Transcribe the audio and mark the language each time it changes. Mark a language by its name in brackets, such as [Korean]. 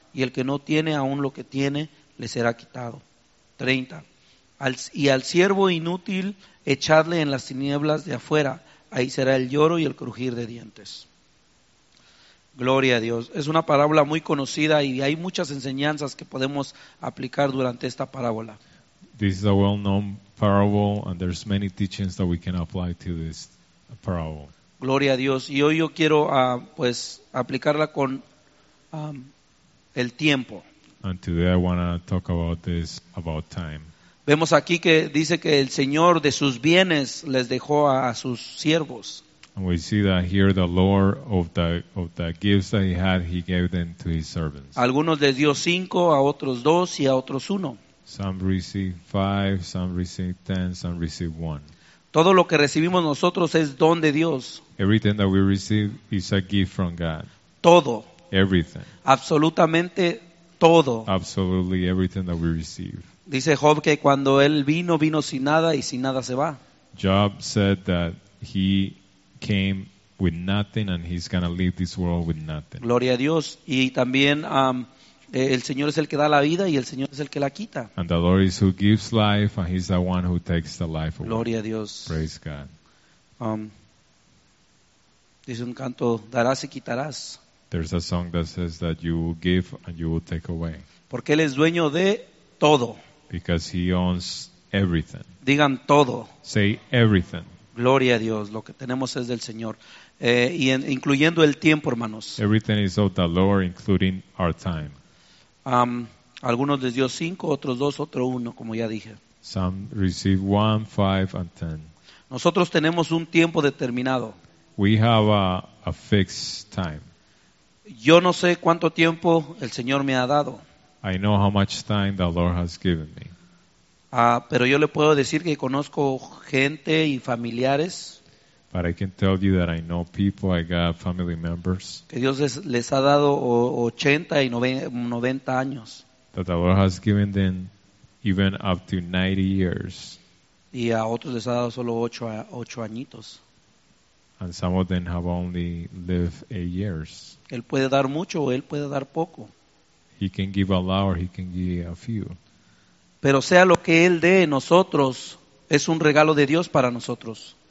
[Spanish] Y el que no tiene aún lo que tiene, le será quitado. 30. Y al siervo inútil, echadle en las tinieblas de afuera. Ahí será el lloro y el crujir de dientes. Gloria a Dios. Es una parábola muy conocida y hay muchas enseñanzas que podemos aplicar durante esta parábola. [English] This is a well-known parable and there's many teachings that we can apply to this parable. [Spanish] Gloria a Dios. Y hoy yo quiero aplicarla con el tiempo. [English] And today I want to talk about this, about time. [Spanish] Vemos aquí que dice que el Señor de sus bienes les dejó a sus siervos. [English] And we see that here the Lord of the gifts that he had, he gave them to his servants. [Spanish] Algunos les dio 5, a otros 2 y a otros 1. [English] Some received 5, some received 10, some received 1. [Spanish] Todo lo que recibimos nosotros es don de Dios. [English] Everything that we receive is a gift from God. [Spanish] Todo. [English] Everything. [Spanish] Absolutamente todo. [English] Absolutely everything that we receive. [Spanish] Dice Job que cuando él vino sin nada y sin nada se va. [English] Job said that he came with nothing and he's going to leave this world with nothing. [Spanish] Gloria a Dios. Y también el Señor es el que da la vida y el Señor es el que la quita. [English] And the Lord is who gives life and he's the one who takes the life away. [Spanish] Gloria a Dios. [English] Praise God. [Spanish] Dice un canto, darás y quitarás. [English] There's a song that says that you will give and you will take away. [Spanish] Porque él es dueño de todo. [English] Because he owns everything. [Spanish] Digan todo. [English] Say everything. [Spanish] Gloria a Dios. Lo que tenemos es del Señor. Incluyendo el tiempo, hermanos. [English] Everything is of the Lord, including our time. [Spanish] Algunos les dio 5, otros 2, otro 1, como ya dije. [English] Some received 1, 5, and 10. [Spanish] Nosotros tenemos un tiempo determinado. [English] We have a fixed time. [Spanish] Yo no sé cuánto tiempo el Señor me ha dado. [English] I know how much time the Lord has given me. [Spanish] Pero yo le puedo decir que conozco gente y familiares. [English] But I can tell you that I know people, I got family members. [Spanish] Que Dios les ha dado 80 y 90 años. [English] That the Lord has given them even up to 90 years. [Spanish] Y a otros les ha dado solo 8 añitos. [English] And some of them have only lived 8 years. [Spanish] Él puede dar mucho o él puede dar poco. [English] He can give a lot or he can give a few. [Spanish] Pero sea lo que él dé nosotros, es un regalo de Dios para nosotros.